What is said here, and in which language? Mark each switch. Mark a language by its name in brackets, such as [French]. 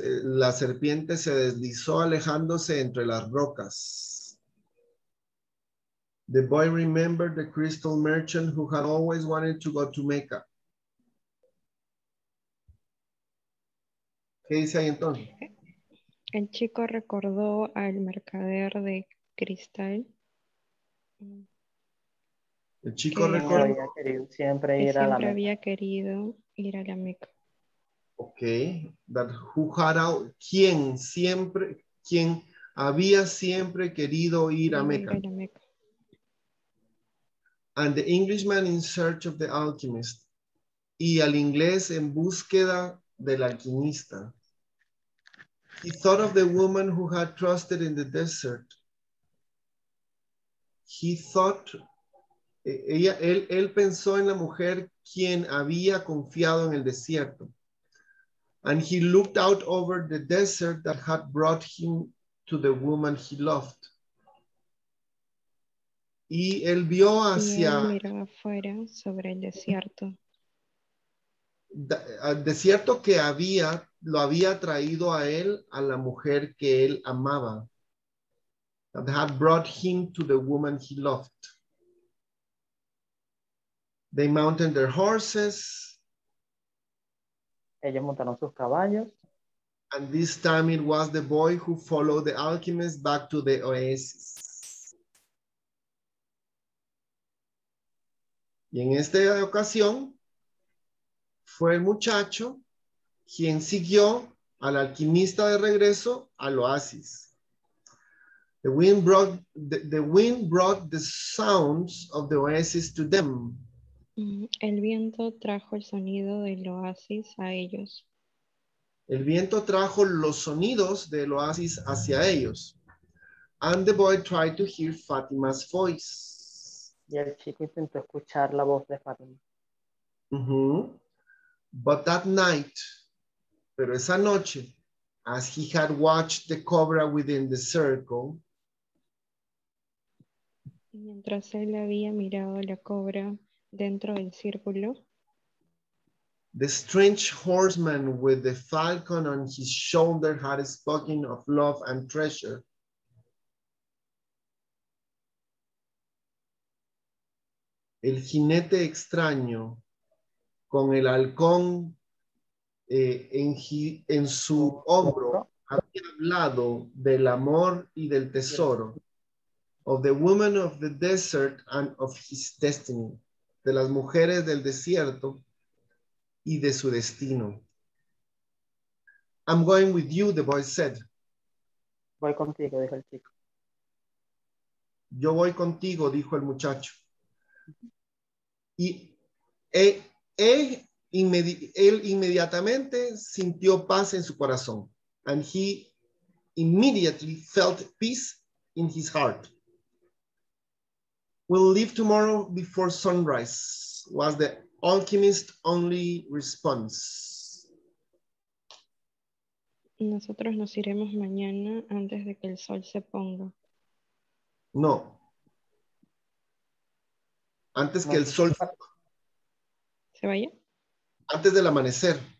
[Spanish] La serpiente se deslizó alejándose entre las rocas. [English] The boy remembered the crystal merchant who had always wanted to go to Mecca. [Spanish] ¿Qué dice ahí entonces? El chico recordó al mercader de cristal. El chico que recordó. Siempre había querido ir a la Meca. [English] Okay. That who had out. [Spanish] ¿Quién? Siempre. ¿Quién había siempre querido ir a Meca? [English] And the Englishman in search of the alchemist. [Spanish] Y al inglés en búsqueda del alquimista. [English] He thought of the woman who had trusted in the desert. He thought, [Spanish] él pensó en la mujer quien había confiado en el desierto. [English] And he looked out over the desert that had brought him to the woman he loved. [Spanish] Y él vio hacia... Y él miró afuera sobre el desierto. El desierto que había... lo había traído a él, a la mujer que él amaba. [English] That had brought him to the woman he loved. They mounted their horses. [Spanish] Ellos montaron sus caballos. [English] And this time it was the boy who followed the alchemist back to the oasis. [Spanish] Y en esta ocasión, fue el muchacho quien siguió al alquimista de regreso al oasis. [English] The wind brought the sounds of the oasis to them. [Spanish] El viento trajo el sonido del oasis a ellos. El viento trajo los sonidos del oasis hacia ellos. [English] And the boy tried to hear Fatima's voice. [Spanish] Y el chico intentó escuchar la voz de Fatima. [English] Mm-hmm. But that night... [Spanish] pero esa noche, [English] as he had watched the cobra within the circle, [Spanish] mientras él había mirado la cobra dentro del círculo, [English] the strange horseman with the falcon on his shoulder had spoken of love and treasure. [Spanish] el jinete extraño con el halcón en su hombro había hablado del amor y del tesoro. [English] Of the woman of the desert and of his destiny. [Spanish] De las mujeres del desierto y de su destino. [English] I'm going with you, the boy said. [Spanish] Voy contigo, dijo el chico. Yo voy contigo, dijo el muchacho. Y él inmediatamente sintió paz en su corazón. [English] And he immediately felt peace in his heart. We'll leave tomorrow before sunrise, was the alchemist's only response. [Spanish] Nosotros nos iremos mañana antes de que el sol se ponga. No. Antes que el sol se vaya. Antes del amanecer.